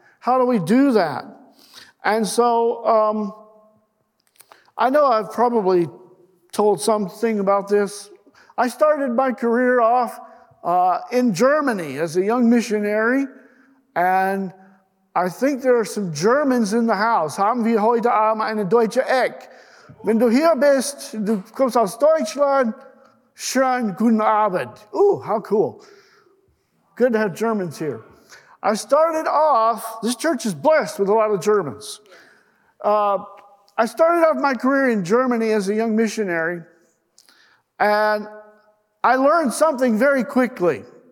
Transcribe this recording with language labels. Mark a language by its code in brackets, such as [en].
[en] How do we do that? And so I know I've probably told something about this. I started my career off in Germany as a young missionary, and I think there are some Germans in the house. [de] Haben wir heute Abend eine deutsche Ecke? Wenn du hier bist, du kommst aus Deutschland, schönen guten Abend. [en] Ooh, how cool. Good to have Germans here. I started off, this church is blessed with a lot of Germans. I started off my career in Germany as a young missionary, and I learned something very quickly.